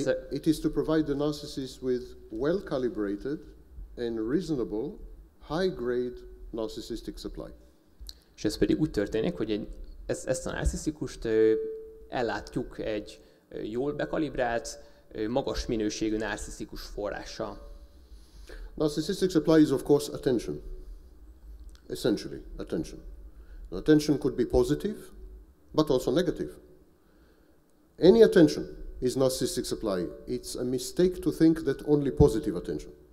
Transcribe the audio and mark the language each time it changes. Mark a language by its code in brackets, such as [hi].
[en] It is to provide the narcissist with well-calibrated and reasonable, high-grade narcissistic supply. [hu] És ez pedig úgy történik, hogy ezt a narcisztikust ellátjuk egy jól bekalibrált, magas minőségű narcisztikus forrással. [en] Narcissistic supply is of course attention. Essentially, attention. Now, attention could be positive, but also negative. Any attention is narcissistic supply. It's a mistake to think that only positive attention.